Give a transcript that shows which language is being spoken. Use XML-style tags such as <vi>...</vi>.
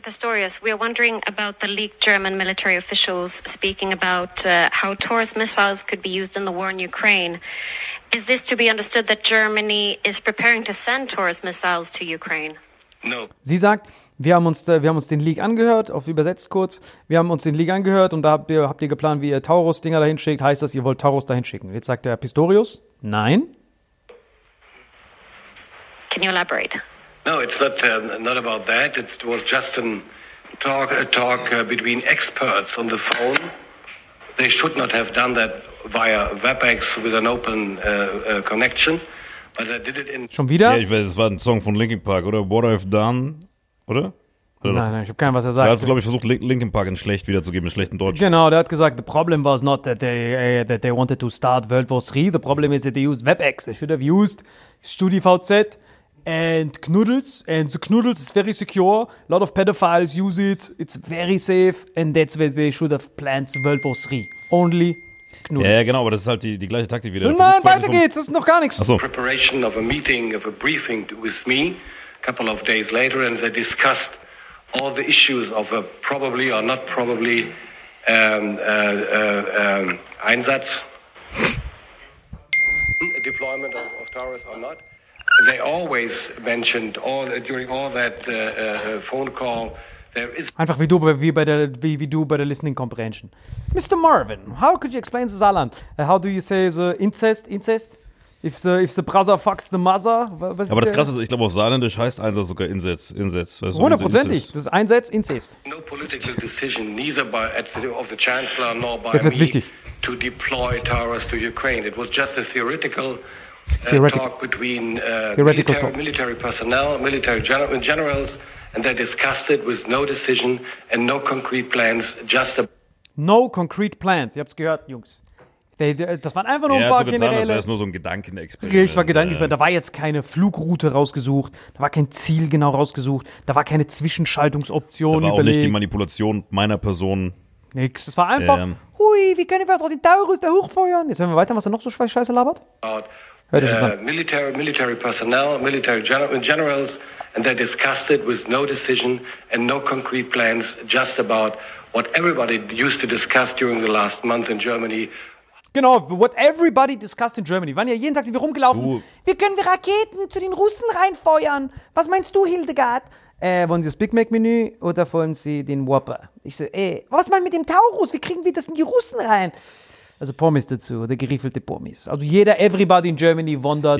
<en>Pistorius, we are wondering about the leaked German military officials speaking about how Taurus missiles could be used in the war in Ukraine. Is this to be understood that Germany is preparing to send Taurus missiles to Ukraine? No.</en> <de>Sie sagt, wir haben uns den Leak angehört, auf übersetzt kurz, wir haben uns den Leak angehört und da habt ihr geplant, wie ihr Taurus-Dinger dahin schickt. Heißt das, ihr wollt Taurus dahin schicken? Jetzt sagt der Pistorius, nein.</de> <en>Can you elaborate? No, it's not about that. It was just a talk between experts on the phone. They should not have done that via WebEx with an open connection. But I did it in.</en> <de>Schon wieder? Ja, ich weiß, es war ein Song von Linkin Park, oder? What I've Done, oder? Nein, ich habe keinen, was er sagt. Er hat, glaube ich, versucht, Linkin Park in schlecht wiederzugeben, in schlechten Deutsch. Genau, der hat gesagt,</de> <en>the problem was not that they wanted to start World War III. The problem is that they used WebEx. They should have used StudiVZ. And Knuddels, and the Knuddels is very secure. A lot of pedophiles use it. It's very safe. And that's where they should have planned the World War III. Only Knuddels.</en> <de>Ja, genau, aber das ist halt die gleiche Taktik wieder. Und nein, weiter geht's, das ist noch gar nichts. Ach so.</de> <en>Preparation of a meeting, of a briefing with me, a couple of days later, and they discussed all the issues of a probably or not probably Einsatz. A deployment of Taurus or not. They always mentioned all during all that phone call there is</en> <de>einfach wie du bei der</de> <en>listening comprehension. Mr. Marvin, how could you explain this, Alan? How do you say the incest? If the brother fucks the mother,</en> <de>was ist aber das Krasse ist, ich glaube auf Saarländisch heißt Einsatz sogar Insatz. Weißt du, 100%ig, das ist Einsatz, Inzest.</de> <en>No political decision, neither by of the Chancellor nor by</en> <de>jetzt wird's</de> <en>me</en> <de>wichtig</de> <en>to deploy Taurus to Ukraine. It was just a theoretical talk between military personnel, military generals, and they discussed it with no decision and no concrete plans. No concrete plans.</en> <de>Ihr habt's gehört, Jungs. Das waren einfach nur ein paar generelle. Das war jetzt nur so ein Gedankenexperiment. Ich war gedanklich, da war jetzt keine Flugroute rausgesucht, da war kein Ziel genau rausgesucht, da war keine Zwischenschaltungsoption überlegt. Da war überlegt. Auch nicht die Manipulation meiner Person. Nix. Das war einfach, hui, wie können wir doch den Taurus da hochfeuern? Jetzt hören wir weiter, was er noch so scheiße labert.</de> <en>Military personnel, military generals, and they discussed it with no decision and no concrete plans, just about what everybody used to discuss during the last month in Germany.</en> <de>Genau,</de> <en>what everybody discussed in Germany.</en> <de>Waren ja jeden Tag sind wir rumgelaufen. Wie können wir Raketen zu den Russen reinfeuern? Was meinst du, Hildegard? Wollen Sie das Big Mac-Menü oder wollen Sie den Whopper? Ich so, was meinst du mit dem Taurus? Wie kriegen wir das in die Russen rein? Also Pommes dazu, der geriefelte Pommes. Also jeder,</de> <en>everybody in Germany</en> <de>wondert,</de>